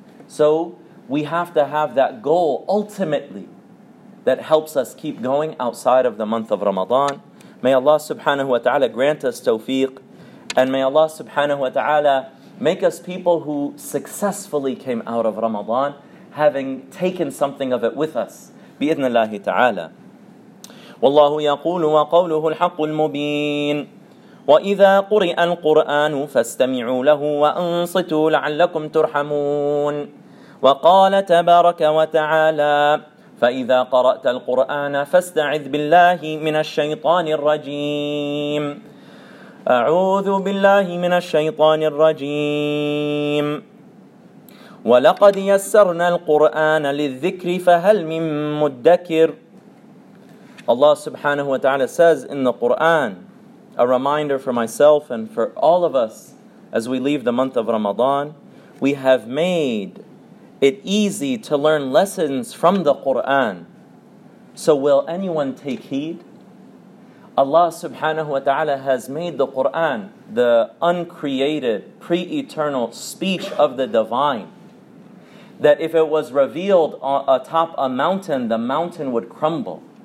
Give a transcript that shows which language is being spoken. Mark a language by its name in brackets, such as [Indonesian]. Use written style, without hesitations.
[English] So we have to have that goal ultimately that helps us keep going outside of the month of Ramadan. May Allah subhanahu wa ta'ala grant us tawfiq, and may Allah subhanahu wa ta'ala make us people who successfully came out of Ramadan, having taken something of it with us. [Arabic] بإذن الله تعالى. والله يقول وقوله الحق المبين وإذا قرئ القرآن فاستمعوا له وأنصتوا لعلكم ترحمون وقال تبارك وتعالى فإذا قرأت القرآن فاستعذ بالله من الشيطان الرجيم أعوذ بالله من الشيطان الرجيم ولقد يسرنا القرآن للذكر فهل من مدكر. [English] Allah subhanahu wa ta'ala says in the Quran, a reminder for myself and for all of us as we leave the month of Ramadan, we have made it easy to learn lessons from the Quran. So will anyone take heed? Allah subhanahu wa ta'ala has made the Quran, the uncreated, pre-eternal speech of the divine, that if it was revealed atop a mountain, the mountain would crumble.